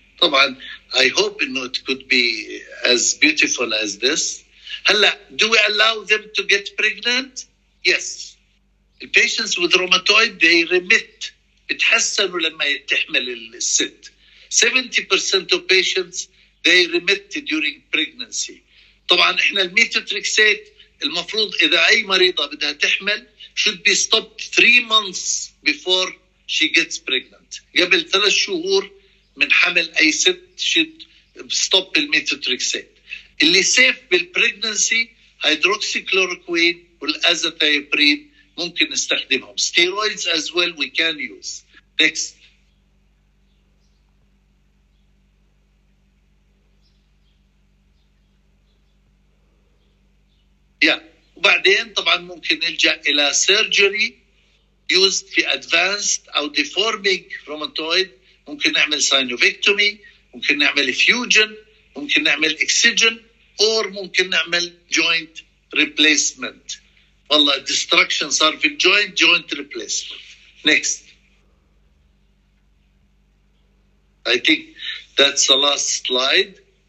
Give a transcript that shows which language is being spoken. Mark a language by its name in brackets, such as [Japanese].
[English] طبعا I hope إنه it could be as beautiful as this. هلا do we allow them to get pregnant? Yes. The patients with rheumatoid they remit. [Arabic] يتحسنوا لما يتحمل الست. [English] 70% of patients they remit during pregnancy. [Arabic] طبعا احنا الميثوتريكسات المفروض اذا اي مريضة بدها تحمل should be stopped 3 months before she gets pregnant. قبل 3 شهور من حمل اي ست should stop الميثوتريكسات. اللي سيف بالبريجنسي هيدروكسيكلوروكوين والازاثيبرين ممكن نستخدمهم. [English] Steroids as well we can use. next. [Arabic] وبعدين طبعا ممكن نلجأ الى سيرجري used في advanced او deforming rheumatoid. ممكن نعمل سينوفيكتومي, ممكن نعمل فيوجن, ممكن نعمل اكسجن, أور ممكن نعمل joint replacement. [English] والله destruction صار في joint, joint replacement. next. I think that's the last slide.